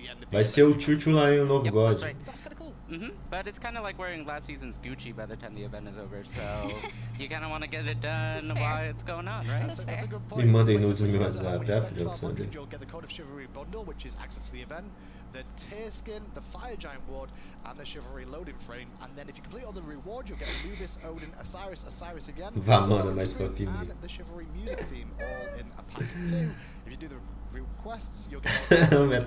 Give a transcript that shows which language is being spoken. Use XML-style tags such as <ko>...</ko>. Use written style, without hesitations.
<pt>Vai ser o Chuchu lá em Novo God.</pt> <en>But it's kind of like wearing last season's Gucci by the time the event is over, so you kind of want to get it done while it's going on, right?</en> <pt>Me mandem nudes no meu WhatsApp, é filho do Sandy.</pt> <en>You'll get the Code of Chivalry bundle, which is access to the event, the tear skin, the fire giant ward, and the chivalry loading frame. And then if you complete all the rewards, you'll get Anubis, Odin, Osiris, Osiris again.</en> <pt>Vá, mano, mais pra filme.</pt> <en>And the chivalry music theme, all in a pack of two. If you do the requests, you'll get all the rewards.</en>